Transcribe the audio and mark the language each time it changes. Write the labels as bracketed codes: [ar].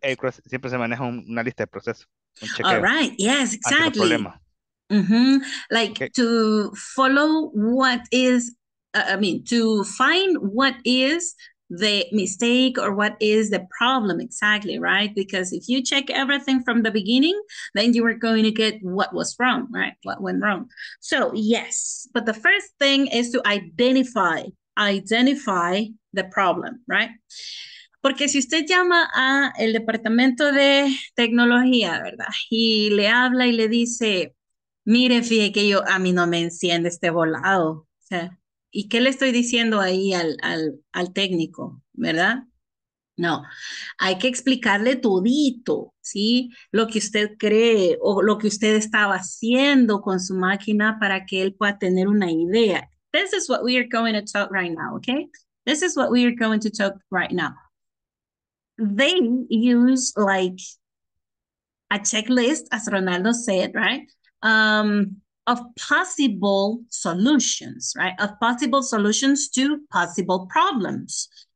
[es] Aircraft, siempre se maneja una lista de procesos. Un chequeo. [en] All right, yes, exactly. [es] Ante los problemas. [en] Mm-hmm. Like okay. To follow what is I mean, to find what is the mistake or what is the problem exactly, right? Because if you check everything from the beginning, then you are going to get what was wrong, right? What went wrong. So, yes. But the first thing is to identify the problem, right? [es] Porque si usted llama a el departamento de tecnología, ¿verdad? Y le habla y le dice, mire, fíjate que yo, a mí no me enciende este volado, o sea, ¿y qué le estoy diciendo ahí al técnico? ¿Verdad? No, hay que explicarle todito, ¿sí? Lo que usted cree o lo que usted estaba haciendo con su máquina para que él pueda tener una idea. [en] This is what we are going to talk right now, okay? This is what we are going to talk right now. They use like a checklist, as Ronaldo said, right? Of possible solutions, right? Of possible solutions to possible problems.